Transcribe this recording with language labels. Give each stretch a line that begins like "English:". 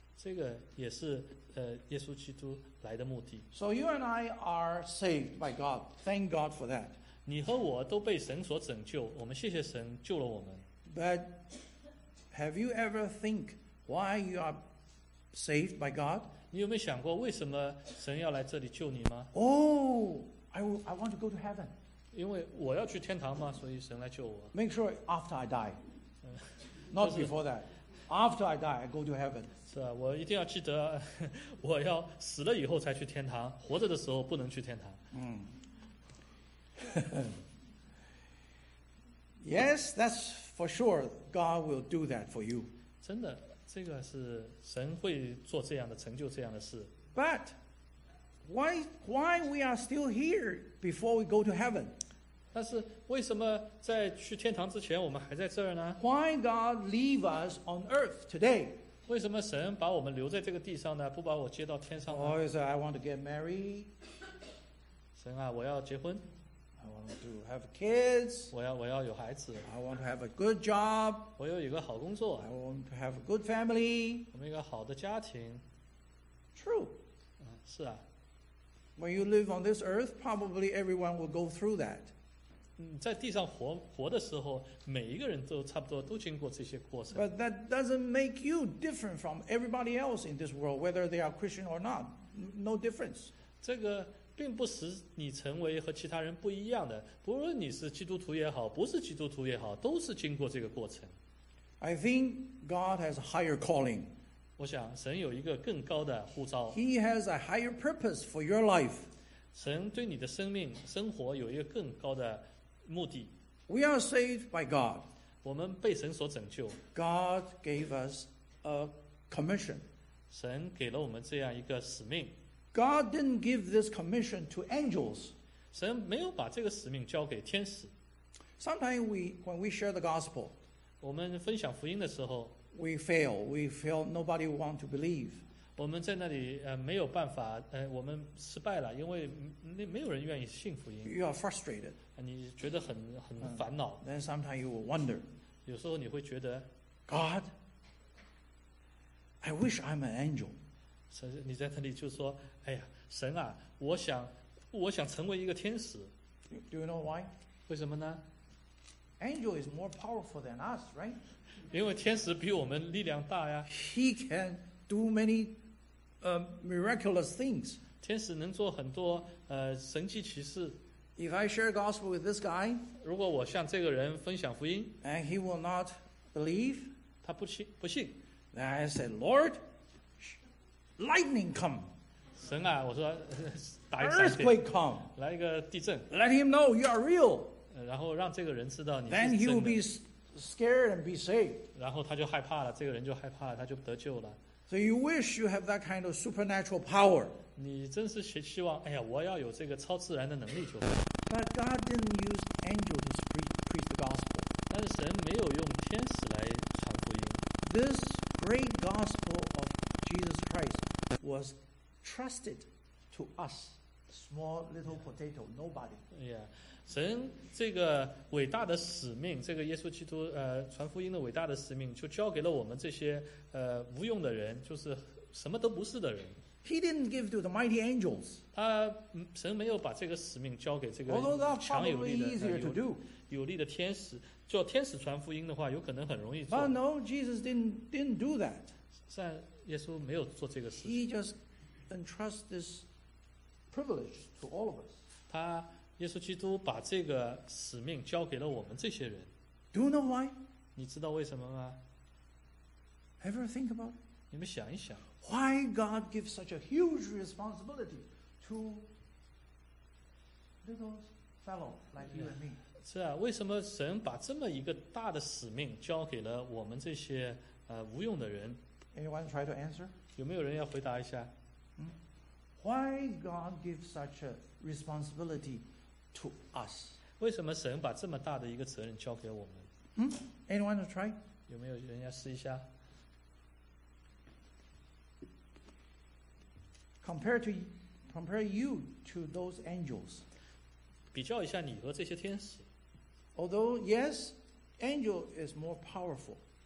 Chinese: 这个也是, 耶稣基督来的目的。
English: So you and I are saved by God. Thank God for that.
Chinese: 你和我都被神所拯救, 我们谢谢神救了我们。
English: But have you ever think why you are saved by God?
Chinese: 你有没有想过为什么神要来这里救你吗?
English: Oh, I want to go to heaven.
Chinese: 因为我要去天堂吗?所以神来救我。
English: Make sure after I die. Not before that. After I die, I go to heaven.
Chinese: 是啊,我一定要记得, 我要死了以后才去天堂, 活着的时候不能去天堂。
English: Yes, that's for sure. God will do that for you.
Chinese: 真的, 这个是神会做这样的成就这样的事。
English: But why we are still here before we go to heaven?
Chinese: 但是为什么在去天堂之前我们还在这儿呢?
English: Why God leave us on earth today?
Chinese: 为什么神把我们留在这个地上呢? 不把我接到天上呢?
English: Oh, so I want to get married.
Chinese: 神啊, 我要结婚。
English: I want to have kids.
Chinese: 我要有孩子。
English: I want to have a good job.
Chinese: 我有一个好工作。
English: I want to have a good family.
Chinese: 我们一个好的家庭。
English: True.
Chinese: 是啊。
English: When you live on this earth, probably everyone will go through that.
Chinese: 在地上活的时候, 每一个人都差不多都经过这些过程。
English: But that doesn't make you different from everybody else in this world, whether they are Christian or not. No difference.
Chinese: 这个, 并不使你成为和其他人不一样的, 不论你是基督徒也好, 不是基督徒也好, 都是经过这个过程。
English: I think God has a higher calling.
Chinese: 我想神有一个更高的呼召。
English: He has a higher purpose for your life.
Chinese: 神对你的生命, 生活有一个更高的目的。
English: We are saved by God.
Chinese: 我们被神所拯救。
English: God gave us a commission.
Chinese: 神给了我们这样一个使命。
English: God didn't give this commission to angels.
Chinese: 神没有把这个使命交给天使。
English: Sometimes when we share the gospel,
Chinese: 我们分享福音的时候,
English: we fail. We feel nobody want to believe.
Chinese: 我们在那里, 没有办法, 我们失败了, 因为没有人愿意信福音。
English: You are frustrated.
Chinese: 你觉得很烦恼。
English: Then sometimes you will wonder.
Chinese: 有时候你会觉得,
English: God, I wish I'm an angel.
Chinese: 你在那里就说, 哎呀, 神啊, 我想成为一个天使。
English: Do you know why?
Chinese: 为什么呢?
English: Angel is more powerful than us, right?
Chinese: 因为天使比我们力量大呀。
English: He can do many miraculous things.
Chinese: 天使能做很多, 神迹奇事。
English: If I share gospel with this guy,
Chinese: 如果我向这个人分享福音,
English: and he will not believe,
Chinese: 他不信,
English: then I say, Lord, lightning come.
Chinese: 神啊, 我说,
English: earthquake come.
Chinese: 来一个地震,
English: let him know you are real.
Chinese: 然后让这个人知道你是真的,
English: then he will be scared and be saved.
Chinese: 然后他就害怕了, 这个人就害怕了, 他就得救了。
English: So you wish you have that kind of supernatural power.
Chinese: 你真是希望, 哎呀, 我要有这个超自然的能力。
English: But God didn't use angels to preach the gospel.
Chinese: 但是神没有用天使来传福音。
English: This great gospel of Jesus Christ was trusted to us, small little potato, nobody. Yeah.
Chinese: 神这个伟大的使命, 这个耶稣基督, 传福音的伟大的使命, 就交给了我们这些, 无用的人, 就是什么都不是的人。
English: He didn't give to the mighty angels.
Chinese: 他, 神没有把这个使命交给这个,
English: although that probably easier to do.
Chinese: 有力的天使, 叫天使传福音的话, 有可能很容易做。
English: But no, Jesus didn't do that.
Chinese: 耶稣没有做这个事。
English: He just entrust this privilege to all of us.
Chinese: 他耶稣基督把这个使命交给了我们这些人。
English: Do you know why?
Chinese: 你知道为什么吗？
English: Ever think about it?
Chinese: 你们想一想。
English: Why God gives such a huge responsibility to little fellow like you and me?
Chinese: 是啊，为什么神把这么一个大的使命交给了我们这些无用的人？
English: Anyone try to answer?
Chinese: 有没有人要回答一下？
English: Why God gives such a responsibility to us?
Chinese: 为什么神把这么大的一个责任交给我们？
English: Anyone to try?
Chinese: 有没有人要试一下？
English: Compare you to those angels.
Chinese: 比较一下你和这些天使。
English: Although yes, angel is more powerful.